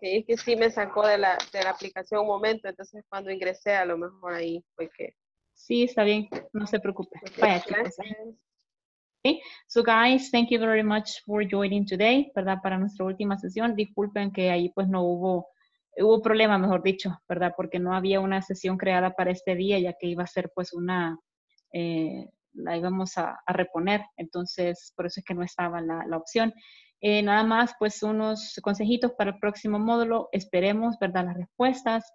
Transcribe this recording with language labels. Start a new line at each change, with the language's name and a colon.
Spanish: Es que sí me sacó de la aplicación un momento, entonces cuando ingresé a lo mejor ahí fue que... Sí, está bien. No se preocupe. Vaya, chicos. Okay.
English: So, guys, thank you very much for joining today,
Spanish: ¿verdad? Para nuestra última sesión. Disculpen que ahí pues no hubo problema, mejor dicho, ¿verdad? Porque no había una sesión creada para este día, ya que iba a ser pues una, la íbamos a reponer. Entonces, por eso es que no estaba la opción. Nada más, pues unos consejitos para el próximo módulo. Esperemos, ¿verdad? Las respuestas.